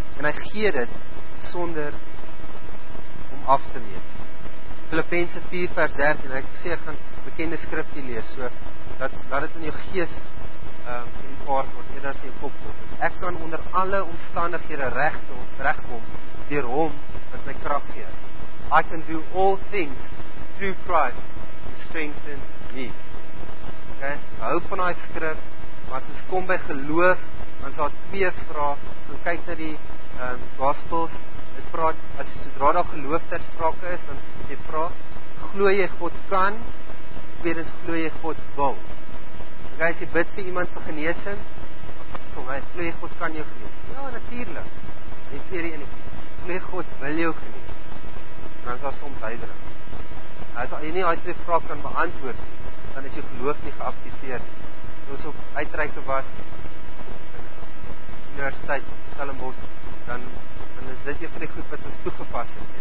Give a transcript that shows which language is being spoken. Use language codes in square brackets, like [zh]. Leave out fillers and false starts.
[af] En hy gee dit sonder om af te neem. Filippense 4 vers 13, ek sê ek gaan bekende skrifte lees, so dat dit in jou gees in paard word, en as jy kop kom. Ek kan onder alle omstandighede regkom deur hom wat my krag gee. [en] I can do all things through Christ who strengthens me. [af] Okay, hou van daai skrif, maar as ons kom by geloof, dan is daar twee vrae, dan kyk na die gospels, dit praat, as sodra daar geloof ter sprake is, dan jy vra, glo jy God kan, tweedens glo jy God wil. Okay, as jy bid vir iemand vir genesing, kom hy, glo jy God kan jou genees? Ja, natuurlik, die tweede ene, glo jy God wil jou genees? Dan is daar soms duidelik. As jy nie die twee vrae kan beantwoord, dan is jou geloof nie geaktiveerd. Ons op uitreike was in die universiteit Stellenbosch, dan is dit een van die goed wat ons toegepas het.